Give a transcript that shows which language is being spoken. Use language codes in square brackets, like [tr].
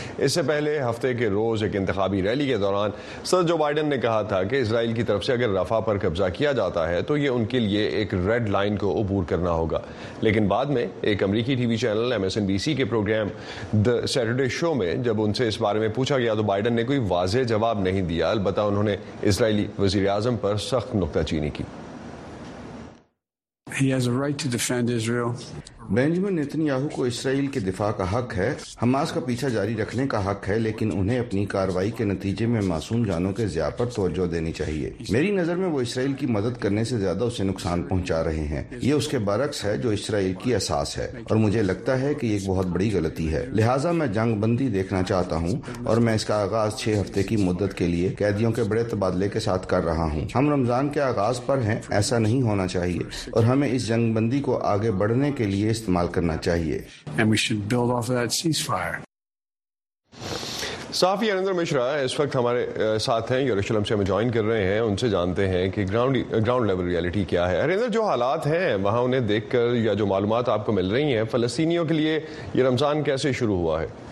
[ur] اس سے پہلے ہفتے کے روز ایک انتخابی ریلی کے دوران صدر جو بائیڈن نے کہا تھا کہ اسرائیل کی طرف سے اگر رفح پر قبضہ کیا جاتا ہے تو یہ ان کے لیے ایک ریڈ لائن کو عبور کرنا ہوگا، لیکن بعد میں ایک امریکی T V channel M S N B C کے پروگرام دی سیٹرڈے شو میں جب ان سے اس بارے میں پوچھا گیا تو بائیڈن نے کوئی واضح جواب نہیں دیا، البتہ انہوں نے اسرائیلی وزیر اعظم پر سخت نکتہ چینی کی۔ [en] He has a right to defend Israel. [ur] Benjamin Netanyahu کو اسرائیل کے دفاع کا حق ہے، حماس کا پیچھا جاری رکھنے کا حق ہے، لیکن انہیں اپنی کاروائی کے نتیجے میں معصوم جانوں کے ضیاع پر توجہ دینی چاہیے۔ میری نظر میں وہ اسرائیل کی مدد کرنے سے زیادہ اسے نقصان پہنچا رہے ہیں، یہ اس کے برعکس ہے جو اسرائیل کی اساس ہے، اور مجھے لگتا ہے کہ یہ ایک بہت بڑی غلطی ہے۔ لہٰذا میں جنگ بندی دیکھنا چاہتا ہوں، اور میں اس کا آغاز 6 ہفتے کی مدت کے لیے قیدیوں کے بڑے تبادلے کے ساتھ کر رہا ہوں۔ ہم رمضان کے آغاز پر ہیں، ایسا نہیں ہونا چاہیے، اور ہمیں اس جنگ بندی کو آگے بڑھنے کے لیے استعمال کرنا چاہیے۔ [en] And we should build off of that ceasefire. [ur] صحافی اریندر مشرا اس وقت ہمارے ساتھ ہیں، یروشلم سے ہم جوائن کر رہے ہیں، ان سے جانتے ہیں کہ گراؤنڈ لیول ریالٹی کیا ہے۔ اریندر، جو حالات ہیں وہاں انہیں دیکھ کر یا جو معلومات آپ کو مل رہی ہیں، فلسطینیوں کے لیے یہ رمضان کیسے شروع ہوا ہے؟